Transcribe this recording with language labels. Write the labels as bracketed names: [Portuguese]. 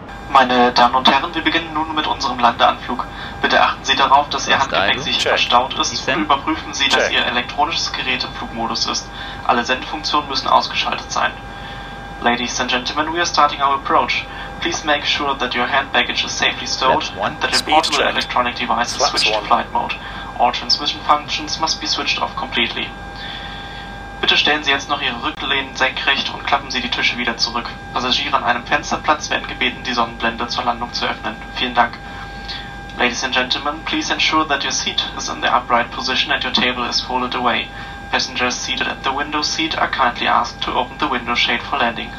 [German] Meine Damen und Herren, wir beginnen nun mit unserem Landeanflug. Bitte achten Sie darauf, dass Ihr Handgepäck sich verstaut ist. Überprüfen Sie, dass Ihr elektronisches Gerät im Flugmodus ist. Alle Sendfunktionen müssen ausgeschaltet sein. [English] Ladies and gentlemen, we are starting our approach. Please make sure that your hand baggage is safely stowed, that your portable electronic device is switched to flight mode. All transmission functions must be switched off completely. [German] Bitte stellen Sie jetzt noch Ihre Rücklehnen senkrecht und klappen Sie die Tische wieder zurück. Passagiere an einem Fensterplatz werden gebeten, die Sonnenblende zur Landung zu öffnen. Vielen Dank. [English] Ladies and gentlemen, please ensure that your seat is in the upright position and your table is folded away. Passengers seated at the window seat are kindly asked to open the window shade for landing.